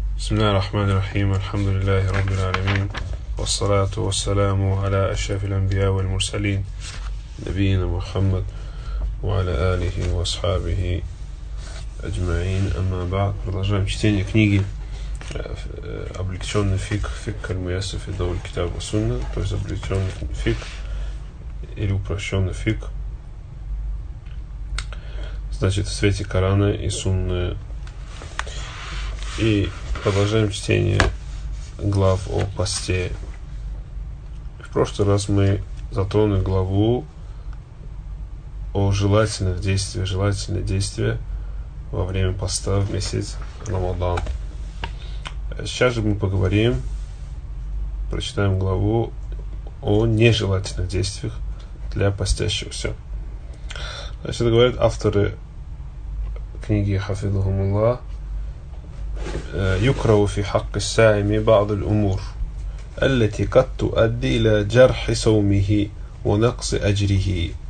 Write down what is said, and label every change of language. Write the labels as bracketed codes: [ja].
[ar] بسم الله الرحمن الرحيم، الحمد لله رب العالمين، والصلاة والسلام على أشرف الأنبياء والمرسلين نبينا محمد وعلى آله وأصحابه أجمعين. أما بعد، [ru] продолжаем чтение книги облегченный фик фик аль-муяссир фи дауль китаб ва-сунна, то есть облегченный фик или упрощенный фик, значит, в свете Корана и Сунны. И продолжаем чтение глав о посте. В прошлый раз мы затронули главу о желательных действиях, желательные действия во время поста в месяц Рамадан. Сейчас же мы поговорим, прочитаем главу о нежелательных действиях для постящегося. Значит, говорят авторы книги «Хафидхум Аллах», [ar] يكره في حق الصائم بعض الأمور التي قد تؤدي إلى جرح صومه ونقص أجره.